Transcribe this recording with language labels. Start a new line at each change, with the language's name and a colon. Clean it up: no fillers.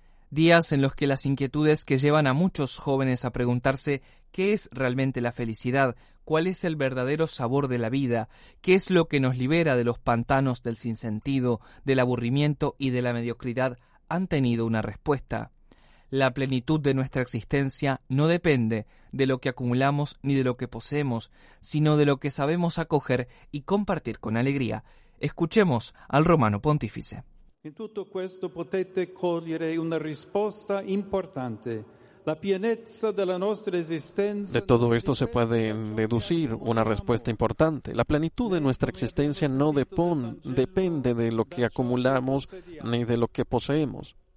Spanish: Días en los que las inquietudes que llevan a muchos jóvenes a preguntarse qué es realmente la felicidad, cuál es el verdadero sabor de la vida, qué es lo que nos libera de los pantanos del sinsentido, del aburrimiento y de la mediocridad, han tenido una respuesta. La plenitud de nuestra existencia no depende de lo que acumulamos ni de lo que poseemos, sino de lo que sabemos acoger y compartir con alegría. Escuchemos al Romano Pontífice.
Italian: In tutto questo potete cogliere una risposta importante. La pienezza della nostra esistenza.
Spanish: De todo esto se puede deducir una respuesta importante. La plenitud de nuestra existencia no depende de lo que acumulamos ni de lo que poseemos.